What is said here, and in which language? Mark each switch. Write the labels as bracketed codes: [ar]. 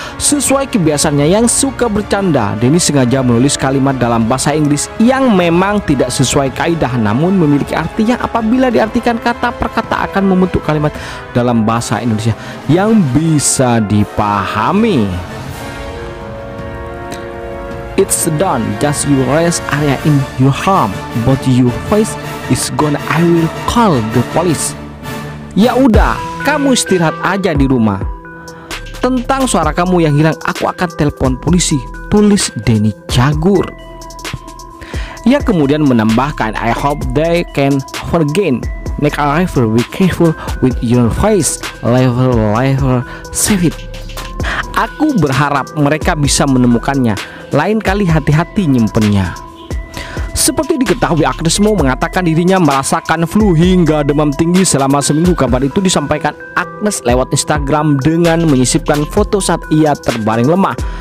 [id] Sesuai kebiasaannya yang suka bercanda, Denny sengaja menulis kalimat dalam bahasa Inggris yang memang tidak sesuai kaidah, namun memiliki arti yang apabila diartikan kata per kata akan membentuk kalimat dalam bahasa Indonesia yang bisa dipahami. [en] It's done, just you raise area in your arm, but your face is gone, I will call the police. [id] Ya udah, kamu istirahat aja di rumah. Tentang suara kamu yang hilang, aku akan telepon polisi, tulis Denny Cagur. Ia kemudian menambahkan, [en] I hope they can forget. Make a river, be careful with your face. Level, level, save it. [id] Aku berharap mereka bisa menemukannya. Lain kali hati-hati nyimpennya. Seperti diketahui, Agnez Mo mengatakan dirinya merasakan flu hingga demam tinggi selama seminggu. Kabar itu disampaikan Agnez lewat Instagram dengan menyisipkan foto saat ia terbaring lemah.